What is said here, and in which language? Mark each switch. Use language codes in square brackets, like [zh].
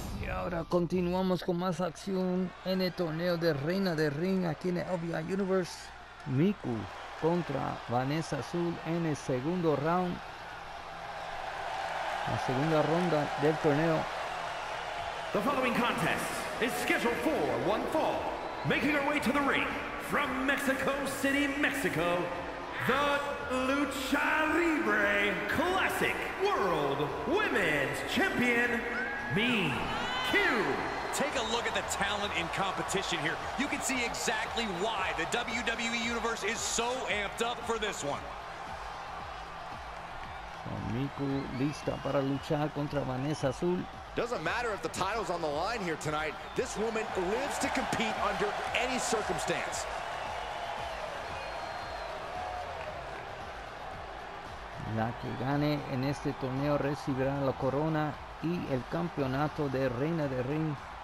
[es] ahora continuamos con más acción en el torneo de Reina de Ring aquí en el OVI Universe. Miku contra Vanessa Zul en el segundo round. La segunda ronda del torneo. [en] The following contest is scheduled for one fall. Making her way to the ring from Mexico City, Mexico, the Lucha Libre Classic World Women's Champion, Miku. Take a look at the talent in competition here. You can see exactly why the WWE Universe is so amped up for this one. [es] Miku lista para luchar contra Vanessa Azul. [en] Doesn't matter if the title's on the line here tonight. This woman lives to compete under any circumstance. [es] La que gane en este torneo recibirá la corona y el campeonato de Reina de Ring.